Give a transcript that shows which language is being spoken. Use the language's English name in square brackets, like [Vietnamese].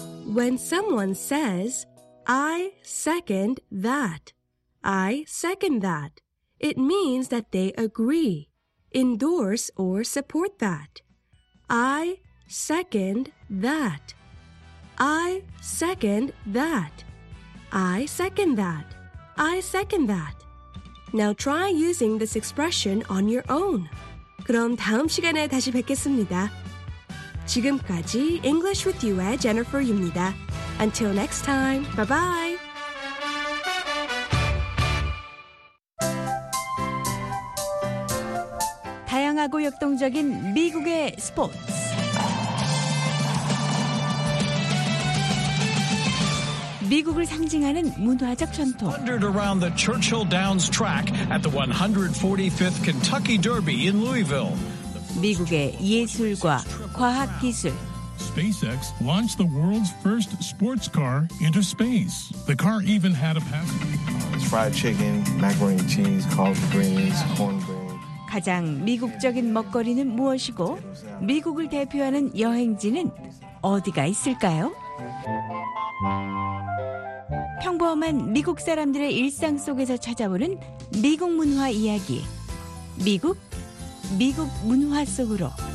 [English] When someone says, I second that, I second that, it means that they agree, endorse or support that. I second that. I second that. I second that. I second that. Now try using this expression on your own. [Korean] 그럼 다음 시간에 다시 뵙겠습니다. 지금까지 English with you의 Jennifer입니다. [English] Until next time, bye-bye! [Korean] 다양하고 역동적인 미국의 스포츠. 미국을 상징하는 문화적 전통. [English] Thundered around the Churchill Downs track at the 145th Kentucky Derby in Louisville. [Korean] 미국의 예술과 과학 기술. [English] SpaceX launched the world's first sports car into space. The car even had a passenger. It's fried chicken, macaroni and cheese, collard greens, cornbread. [Korean] 가장 미국적인 먹거리는 무엇이고 미국을 대표하는 여행지는 어디가 있을까요? 평범한 미국 사람들의 일상 속에서 찾아오는 미국 문화 이야기. 미국, 미국 문화 속으로.